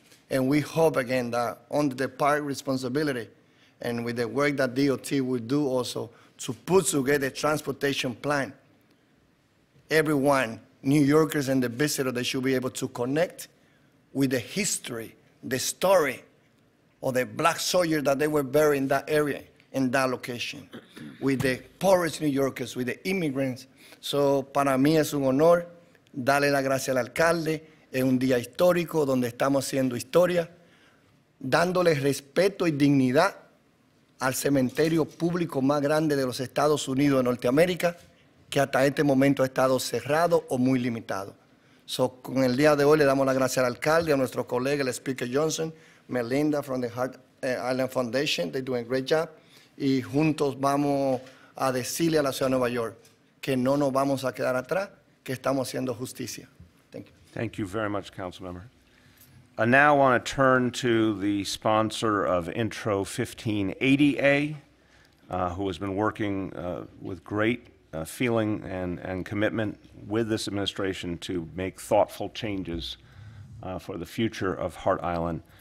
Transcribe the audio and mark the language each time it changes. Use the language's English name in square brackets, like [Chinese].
[English] And we hope again that under the park responsibility and with the work that DOT will do also to put together a transportation plan, everyone, New Yorkers and the visitor, they should be able to connect with the history, the story of the black soldiers that they were buried in that area, in that location, with the poorest New Yorkers, with the immigrants. [Spanish] So, para mí es un honor darle la gracia al alcalde. Es un día histórico donde estamos haciendo historia, dándole respeto y dignidad al cementerio público más grande de los Estados Unidos de Norteamérica, que hasta este momento ha estado cerrado o muy limitado. So, con el día de hoy le damos la gracia al alcalde, a nuestro colega, el Speaker Johnson, Melinda from the Hart Island Foundation, they're doing a great job, y juntos vamos a decirle a la ciudad de Nueva York que no nos vamos a quedar atrás, que estamos haciendo justicia. [English] Thank you very much, Councilmember. I now want to turn to the sponsor of Intro 1580A, who has been working with great feeling and commitment with this administration to make thoughtful changes for the future of Hart Island.